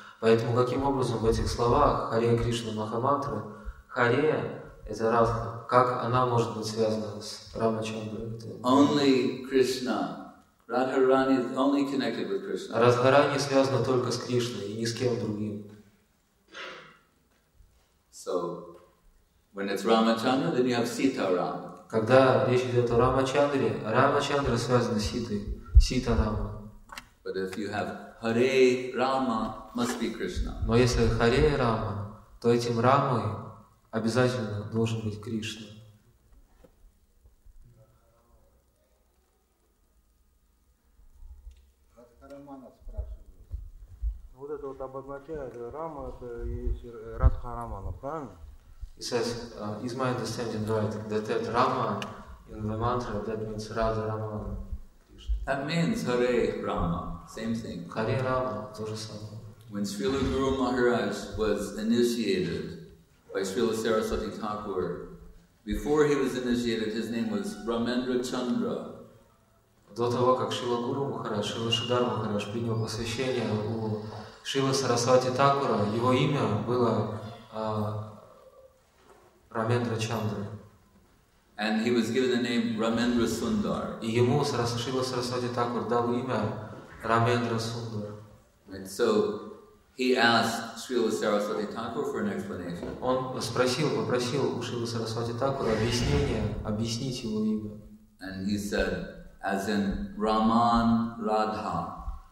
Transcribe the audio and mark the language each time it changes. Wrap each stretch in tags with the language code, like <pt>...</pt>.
<ru>Поэтому каким образом в этих словах Харе Кришна Махамантра Харе это Радха, как она может быть связана с Рамачандрой?</ru> <en>Only Krishna. Радхарани is only connected with Krishna.</en> <ru>Радхарани связана только с Кришной и ни с кем другим.</ru> <en>So. When it's Ramachandra, then you have Sita Rama.</en> <ru>Когда речь идет о Рамачандре, Рамачандра связана с Ситой, Сита Рама.</ru> <en>But if you have Hare Rama, must be Krishna.</en> <ru>Но если Харе Рама, то этим Рамой обязательно должен быть Кришна. Вот этот это вот обозначает Рама, это есть Радха Рамана, правильно?</ru> <en>He says, is my understanding right, that Rama in the mantra, that means Radha Rama. That means Hare Rama, same thing.</en> <ru>Hare Rama, то же самое.</ru> <en>When Srila Guru Maharaj was initiated by Srila Saraswati Thakur, before he was initiated, his name was Ramendra Chandra.</en> <ru>До того, как Шрила Гуру Махарадж, Шрила Шридхар Махарадж принял посвящение у Шрила Сарасвати Такура, его имя было Рамендра Чандра.</ru> <en>And he was given the name Ramendra Sundar.</en> <ru>И ему Шрила Сарасвати Такур дал имя Рамендра Сундар.</ru> <en>Right. So he asked Srila Saraswati Thakur for an explanation.</en> <ru>Он спросил, попросил у Шрила Сарасвати Такура объяснение, объяснить его имя.</ru> <en>And he said, as in Raman Radha.</en>